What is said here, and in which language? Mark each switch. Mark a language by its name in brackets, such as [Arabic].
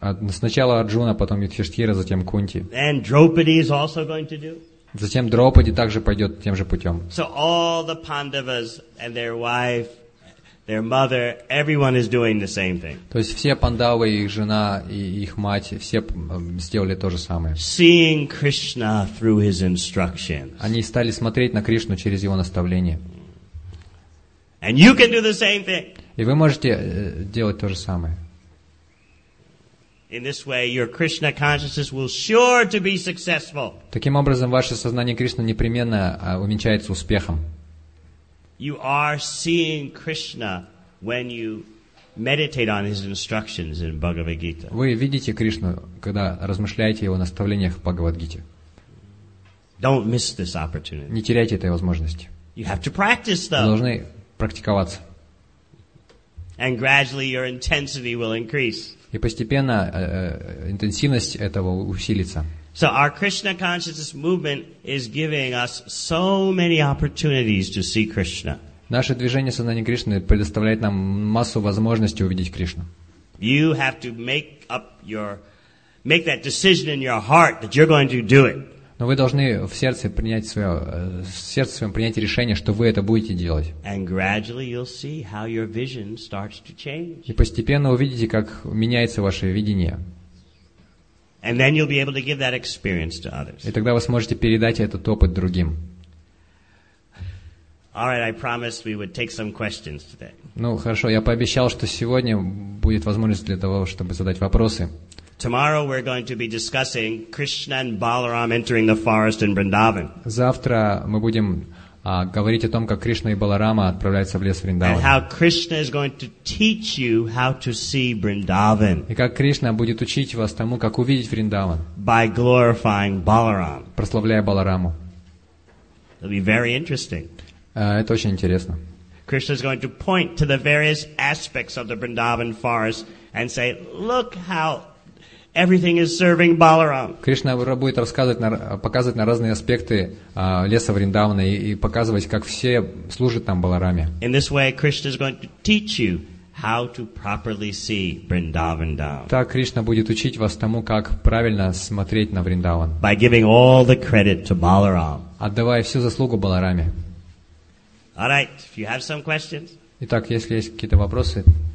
[Russian] Сначала Арджуна, потом Юдхиштхира, затем Кунти. [English] And Draupadi is also going to do. [Russian] Затем Драупади также пойдет тем же путем. [English] So all the Pandavas and their wife, their mother, everyone is doing the same thing. [Russian] То есть все пандавы, их жена и их мать, все сделали то же самое. [English] Seeing Krishna through his instructions. [Russian] Они стали смотреть на Кришну через его наставление. [English] And you can do the same thing. [Russian] И вы можете делать то же самое. [English] In this way, your Krishna consciousness will sure to be successful. [Russian] Таким образом, ваше сознание Кришны непременно увенчается успехом. [English] You are seeing Krishna when you meditate on his instructions in Bhagavad Gita. [Russian] Вы видите Кришну, когда размышляете о его наставлениях в Бхагавадгите. [English] Don't miss this opportunity. [Russian] Не теряйте этой возможности. [English] You have to practice, though. [Russian] Вы должны практиковаться. [English] And gradually your intensity will increase. [Russian] И постепенно интенсивность этого усилится. [English] So our Krishna consciousness movement is giving us so many opportunities to see Krishna. [Russian] Наше движение сознания Кришны предоставляет нам массу возможностей увидеть Кришну. [English] You have to make up your make that decision in your heart that you're going to do it. [Russian] Но вы должны в сердце принять свое, в сердце своем принять решение, что вы это будете делать. И постепенно увидите, как меняется ваше видение. [English] And then you'll be able to give that experience to others. [Russian] И тогда вы сможете передать этот опыт другим. [English] All right, I promised we would take some questions today. [Russian] Ну хорошо, я пообещал, что сегодня будет возможность для того, чтобы задать вопросы. [English] Tomorrow we're going to be discussing Krishna and Balaram entering the forest in Vrindavan. [Russian] Завтра мы будем говорить о том, как Кришна и Баларама отправляются в лес Вриндаван. [English] And how Krishna is going to teach you how to see Vrindavan. [Russian] И как Кришна будет учить вас тому, как увидеть Вриндаван. [English] By glorifying Balaram. [Russian] Прославляя Балараму. [English] It'll be very interesting. [Russian] Это очень интересно. [English] Krishna is going to point to the various aspects of the Vrindavan forest and say, "Look how everything is serving Balaram." [Russian] Кришна будет рассказывать, показывать на разные аспекты леса Вриндавана и показывать, как все служат там Балараме. [English] In this way, Krishna is going to teach you how to properly see Vrindavan down. [Russian] Так Кришна будет учить вас тому, как правильно смотреть на Вриндаван. [English] By giving all the credit to Balaram. [Russian] Отдавая всю заслугу Балараме. [English] All right. If you have some questions. [Russian] Итак, если есть какие-то вопросы.